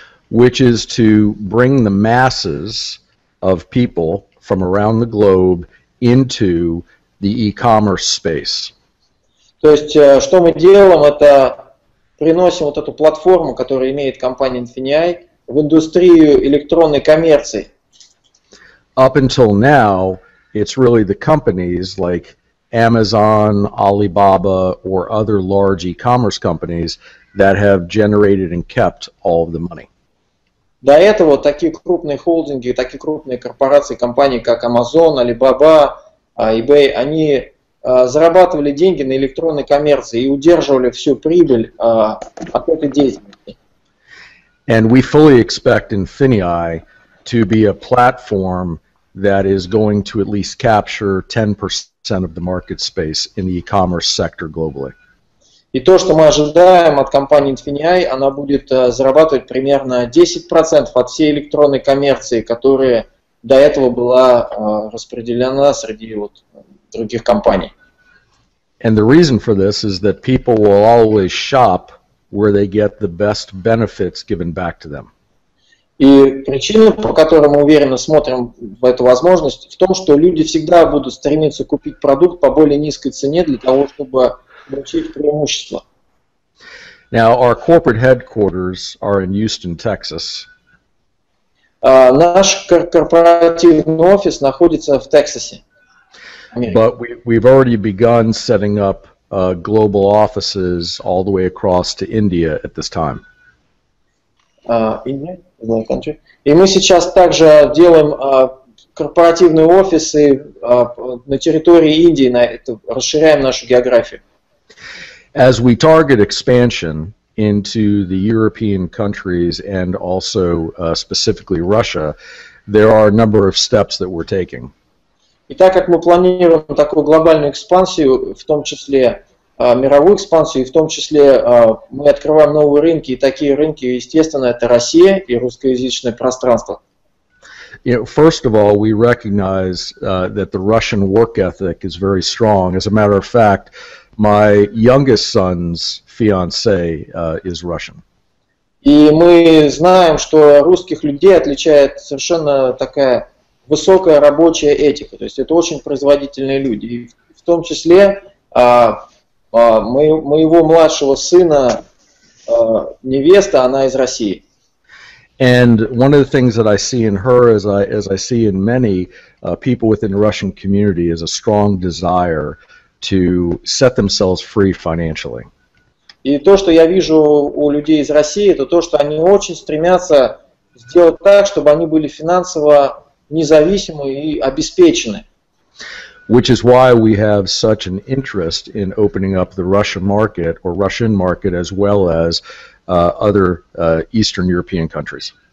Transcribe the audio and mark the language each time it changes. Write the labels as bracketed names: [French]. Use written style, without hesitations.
[English] Which is to bring the masses of people from around the globe into the e-commerce space. [Russian] То есть, что мы делаем, это приносим вот эту платформу, которую имеет компания Infinii, в индустрию электронной коммерции. [English] Up until now, it's really the companies like Amazon, Alibaba, or other large e-commerce companies that have generated and kept all of the money. [Russian] До этого такие крупные холдинги, такие крупные корпорации, компании как Amazon, Alibaba, eBay, они зарабатывали деньги на электронной коммерции и удерживали всю прибыль от этой деятельности. [English] And we fully expect Infinii to be a platform that is going to at least capture 10% of the market space in the e-commerce sector globally. [Russian] И то, что мы ожидаем от компании Infinii, она будет зарабатывать примерно 10% от всей электронной коммерции, которая до этого была распределена среди вот других компаний. [English] And the reason for this is that people will always shop where they get the best benefits given back to them. [Russian] И причина, по которой мы уверенно смотрим в эту возможность, в том, что люди всегда будут стремиться купить продукт по более низкой цене для того, чтобы получить преимущество. [English] Now, our corporate headquarters are in Houston, Texas. [Russian] Наш корпоративный офис находится в Тексасе. [English] But we've already begun setting up global offices all the way across to India at this time. India, another country. [Russian] И мы сейчас также делаем корпоративные офисы на территории Индии, расширяем нашу географию. [English] As we target expansion into the European countries and also specifically Russia, there are a number of steps that we're taking. [Russian] И так как мы планируем такую глобальную экспансию, в том числе мировую экспансию, и в том числе мы открываем новые рынки, и такие рынки, естественно, это Россия и русскоязычное пространство. [English] You know, first of all, we recognize that the Russian work ethic is very strong. As a matter of fact, my youngest son's fiance is Russian. [Russian] И мы знаем, что русских людей отличает совершенно такая высокая рабочая этика. То есть это очень производительные люди. И в том числе моего младшего сына невеста, она из России. [English] And one of the things that I see in her, as I see in many people within the Russian community, is a strong desire to set themselves free financially. [Russian] И то, что я вижу у людей из России, это то, что они очень стремятся сделать так, чтобы они были финансово независимы и обеспечены. [English] Which is why we have such an interest in opening up the Russian market or Russian market as well as other Eastern European countries.